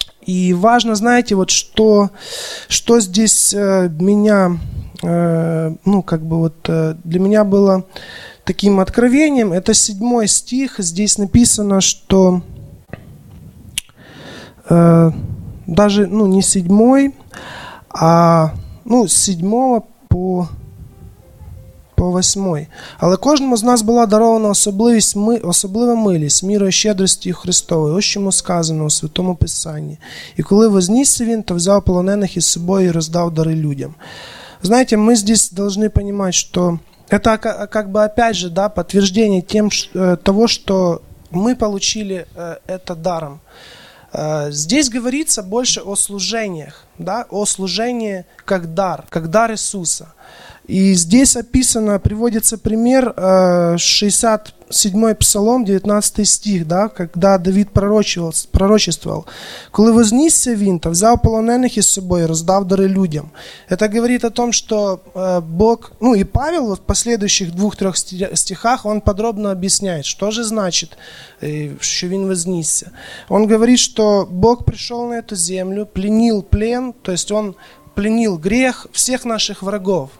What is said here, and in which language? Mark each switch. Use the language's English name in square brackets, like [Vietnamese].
[Russian] И важно, знаете, вот что здесь меня, ну, как бы вот для меня было таким откровением. Это 7 стих. Здесь написано, что даже, ну, не 7, а, ну, 7 по 8. [Ukrainian] «Але кожному з нас була дарована особлива милість, міра щедрості Христової, ось чому сказано у Святому Писанні. І коли вознісся він, то взяв полонених із собою і роздав дари людям». Знаєте, ми [Russian] здесь должны понимать, що это как бы опять же, да, подтверждение тем, того, что мы получили это даром. Здесь говорится больше о служениях, да, о служении как дар Иисуса. И здесь описано, приводится пример, 67-й Псалом, 19-й стих, да, когда Давид пророчествовал. [Ukrainian] «Коли вознісся він, та взяв полонених із собою, роздав дари людям». [Russian] Это говорит о том, что Бог, ну и Павел в последующих 2-3 стихах, он подробно объясняет, что же значит, что [Ukrainian] він вознісся. [Russian] Он говорит, что Бог пришел на эту землю, пленил плен, то есть он пленил грех всех наших врагов.